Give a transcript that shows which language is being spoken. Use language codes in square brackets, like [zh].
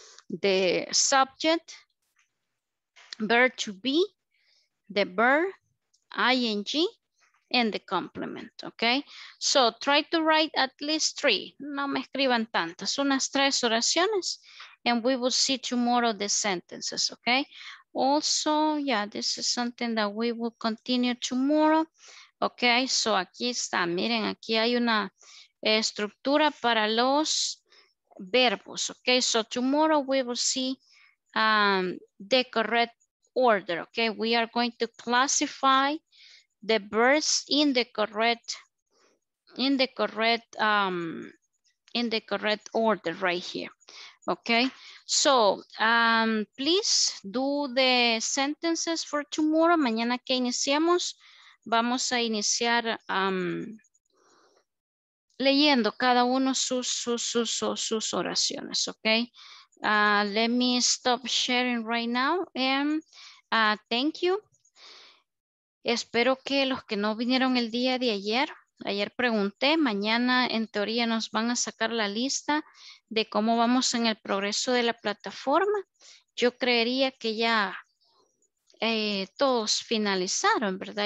[en] The subject, verb to be, the verb, ing, and the complement, okay? So try to write at least 3. [es] No me escriban tantas, unas 3 oraciones, [en] and we will see tomorrow the sentences, okay? Also, yeah, this is something that we will continue tomorrow, okay? [es] So aquí está, miren, aquí hay una estructura para los verbos, okay? [en] So tomorrow we will see the correct order, okay? We are going to classify the verbs in the correct order right here. Okay, so please do the sentences for tomorrow. [es] Mañana que iniciamos, vamos a iniciar leyendo cada uno sus oraciones. [en] Okay, let me stop sharing right now and thank you. [es] Espero que los que no vinieron el día de ayer pregunté, mañana en teoría nos van a sacar la lista de cómo vamos en el progreso de la plataforma. Yo creería que ya todos finalizaron, ¿verdad?